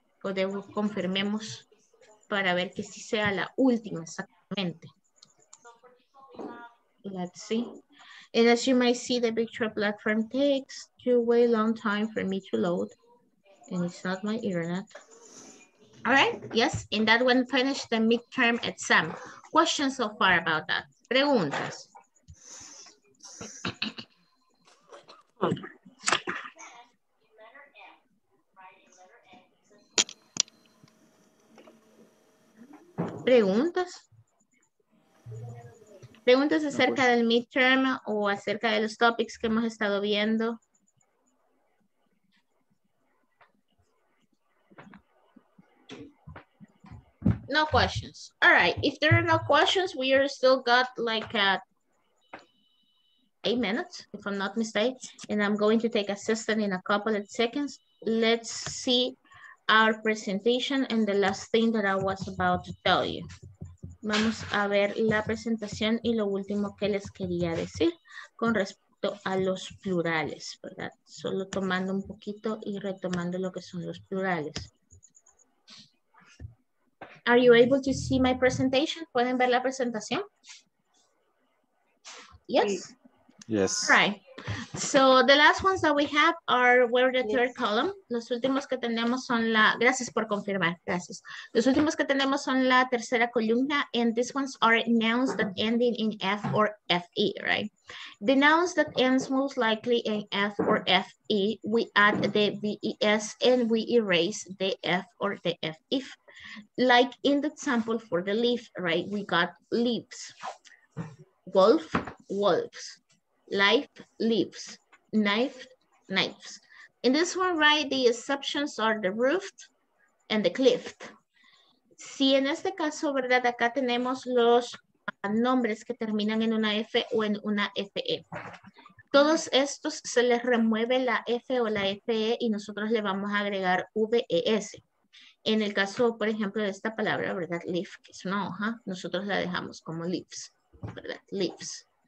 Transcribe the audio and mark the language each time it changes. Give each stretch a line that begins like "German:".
Spanish: Podemos confirmemos para ver que sí sea la última exactamente.
English: Let's see. And as you may see, the picture platform takes too way long time for me to load. And it's not my internet. All right, yes, and that one finished the midterm exam. Questions so far about that?
Spanish: Preguntas. Preguntas. Preguntas acerca del midterm o acerca de los topics que hemos estado viendo.
English: No questions. All right. If there are no questions, we are still got like 8 minutes, if I'm not mistaken. And I'm going to take assistant in a couple of seconds. Let's see our presentation and the last thing that I was about to tell you.
Spanish: Vamos a ver la presentación y lo último que les quería decir con respecto a los plurales, ¿verdad? Solo tomando un poquito y retomando lo que son los plurales.
English: Are you able to see my presentation?
Spanish: ¿Pueden ver la presentación?
English: Yes. Yes. All right. So the last ones that we have are where the third column.
Spanish: Los últimos que tenemos son la. Gracias por confirmar. Gracias. Los últimos que tenemos son la tercera columna.
English: And these ones are nouns that ending in F or FE, right? The nouns that ends most likely in F or FE, we add the VES and we erase the F or the FE. Like in the example for the leaf, right? We got leaves. Wolf, wolves. Life, leaves. Knife, knives. In this one, right, the exceptions are the roof and the cliff.
Spanish: Si en este caso, verdad, acá tenemos los nombres que terminan en una F o en una FE. Todos estos se les remueve la F o la FE y nosotros le vamos a agregar VES. En el caso, por ejemplo, de esta palabra, verdad, leaf, que es una hoja, nosotros la dejamos como leaves, verdad, leaves.